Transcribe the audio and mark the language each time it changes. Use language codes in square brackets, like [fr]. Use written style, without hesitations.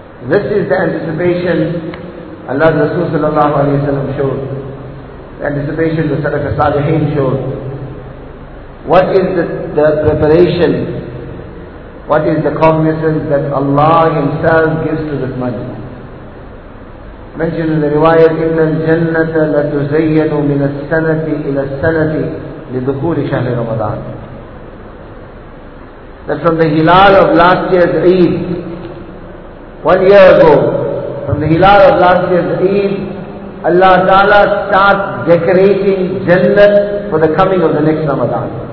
[en] This is the anticipation Allah Rasul sallallahu alayhi wa sallam showed, the anticipation the Salaf al-Salihin showed. What is the preparation, what is the cognizance that Allah Himself gives to this month? Mentioned in the riwayat, [ar] إِنَّ الْجَنَّةَ لَتُزَيَّنُ مِنَ السَّنَةِ إِلَى السَّنَةِ لِدُخُولِ شَهْرِ رَمَضَانِ. [en] That from the hilal of last year's Eid, 1 year ago, from the hilal of last year's Eid, Allah Ta'ala starts decorating Jannat for the coming of the next Ramadan.